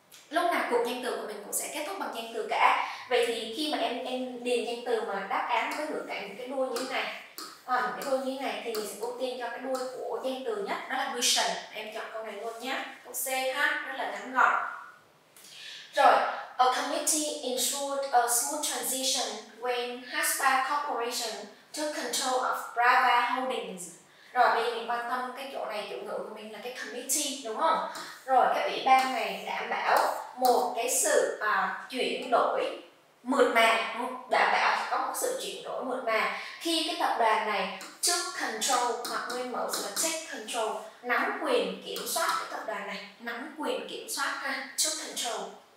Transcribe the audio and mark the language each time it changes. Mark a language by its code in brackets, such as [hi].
[vi] Lúc nào cụm danh từ của mình cũng sẽ kết thúc bằng danh từ cả. Vậy thì khi mà em điền danh từ mà đáp án với ngữ cảnh cái đuôi như thế này, thì mình sẽ ưu tiên cho cái đuôi của danh từ nhất, đó là version. Em chọn câu này luôn nhé, câu C ha, rất là ngắn gọn. [en] Rồi, a committee ensured a smooth transition when Haspa Corporation took control of Brava Holdings. [vi] Rồi bây giờ mình quan tâm cái chỗ này, chủ ngữ của mình là cái committee đúng không? Rồi cái ủy ban này đảm bảo một cái sự chuyển đổi mượt mà, đảm bảo có một sự chuyển đổi mượt mà khi cái tập đoàn này took control, hoặc nguyên mẫu sẽ là take control, nắm quyền kiểm soát cái tập đoàn này, nắm quyền kiểm soát ha, took control.